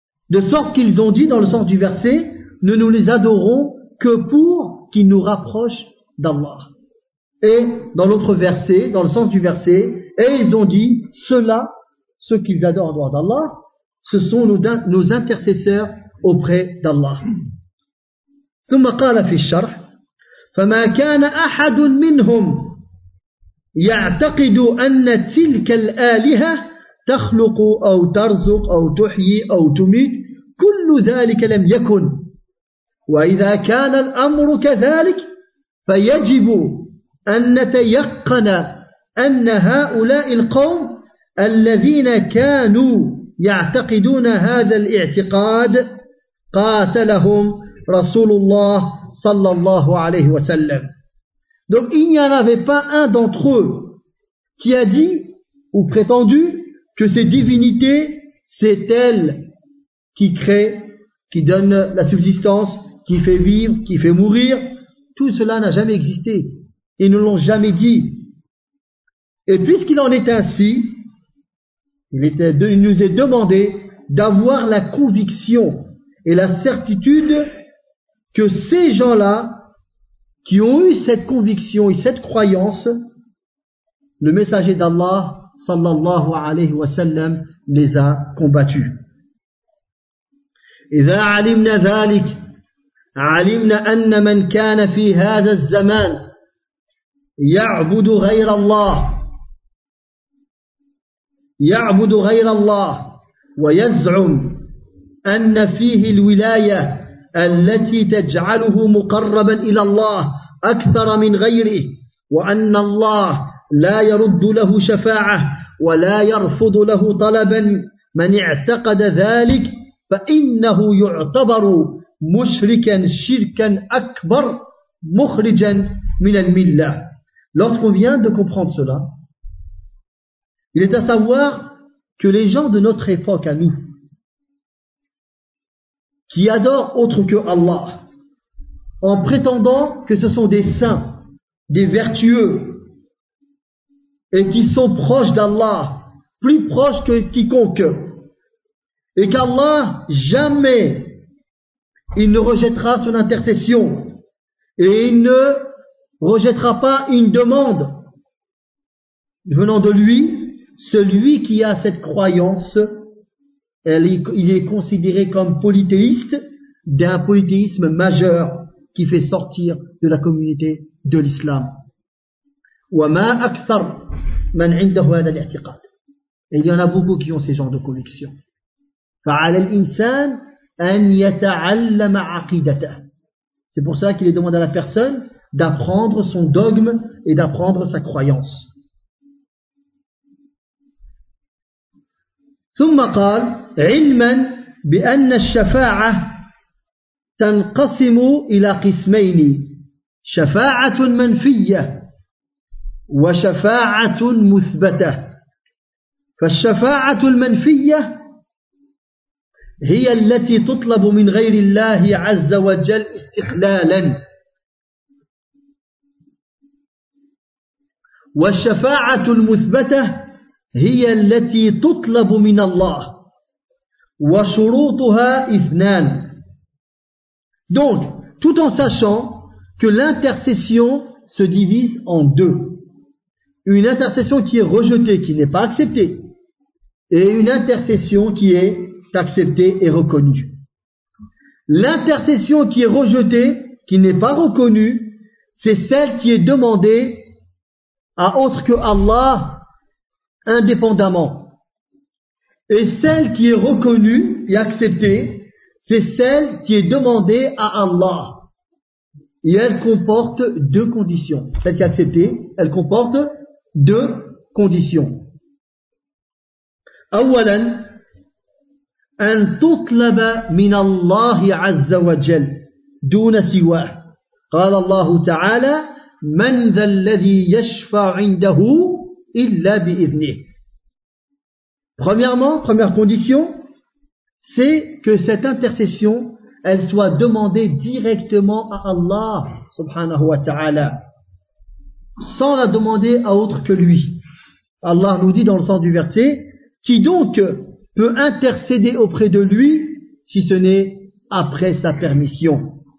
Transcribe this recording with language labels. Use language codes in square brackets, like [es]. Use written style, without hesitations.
[fr] De sorte qu'ils ont dit, dans le sens du verset, ne nous les adorons que pour qu'ils nous rapprochent d'Allah. Et dans l'autre verset, dans le sens du verset, et ils ont dit, ceux-là, ceux qu'ils adorent en dehors d'Allah, ce sont nos intercesseurs auprès d'Allah. [ar] ثم قال في الشرح فما كان أحد منهم يعتقد أن تلك الآلهة تخلق أو ترزق أو تحيي أو تميت كل ذلك لم يكن وإذا كان الأمر كذلك فيجب أن نتيقن أن هؤلاء القوم الذين كانوا يعتقدون هذا الاعتقاد قاتلهم رسول الله صلى الله عليه وسلم. [fr] Donc il n'y en avait pas un d'entre eux qui a dit ou prétendu que ces divinités, c'est elles qui créent, qui donnent la subsistance, qui fait vivre, qui fait mourir. Tout cela n'a jamais existé. Ils ne l'ont jamais dit. Et puisqu'il en est ainsi, il nous est demandé d'avoir la conviction et la certitude que ces gens-là qui ont eu cette conviction et cette croyance, le messager d'Allah, [ar] sallallahu alayhi wa sallam, [fr] les a combattus. [ar] إذا علمنا ذلك علمنا أن من كان في هذا الزمان يعبد غير الله يعبد غير الله ويزعم أن فيه الولاية التي تجعله مقربا إلى الله أكثر من غيره وأن الله لا يرد له شفاعة ولا يرفض له طلبا من اعتقد ذلك فإنه يعتبر مشركا شركا أكبر مخرجا من الملة. [fr] Lorsqu'on vient de comprendre cela, il est à savoir que les gens de notre époque à nous, qui adorent autre que Allah, en prétendant que ce sont des saints, des vertueux, et qui sont proches d'Allah, plus proches que quiconque, et qu'Allah, jamais, il ne rejettera son intercession, et il ne rejettera pas une demande venant de lui, celui qui a cette croyance, il est considéré comme polythéiste, d'un polythéisme majeur qui fait sortir de la communauté de l'islam. [ar] وَمَا أَكْثَرْ مَنْ عِنْدَهُ هَذَا الْاِعْتِقَادِ. [fr] Et il y en a beaucoup qui ont ces genres de convictions. [ar] فعلى الإنسان أن يتعلم عقيدته. [fr] C'est pour ça qu'il est demandé à la personne d'apprendre son dogme et d'apprendre sa croyance. [ar] ثم قال علما بأن الشفاعة تنقسم إلى قسمين شفاعة منفية وشفاعة مثبتة. فالشفاعة المنفية هي التي تطلب من غير الله عز وجل استقلالا والشفاعة المثبتة هي التي تطلب من الله وشروطها اثنان. [fr] Donc, tout en sachant que l'intercession se divise en deux. Une intercession qui est rejetée, qui n'est pas acceptée, et une intercession qui est accepté et reconnu. L'intercession qui est rejetée, qui n'est pas reconnue, c'est celle qui est demandée à autre que Allah indépendamment. Et celle qui est reconnue et acceptée, c'est celle qui est demandée à Allah. Et elle comporte deux conditions. Celle qui est acceptée, elle comporte deux conditions. [ar] أولاً أن تطلب من الله عز وجل دون سواه. قال الله تعالى من ذا الذي يشفع عنده إلا بإذنه. [fr] Premièrement, première condition, c'est que cette intercession, elle soit demandée directement à Allah [ar] subhanahu wa ta'ala, [fr] sans la demander à autre que lui. Allah nous dit dans le sens du verset, qui donc peut intercéder auprès de lui si ce n'est après sa permission.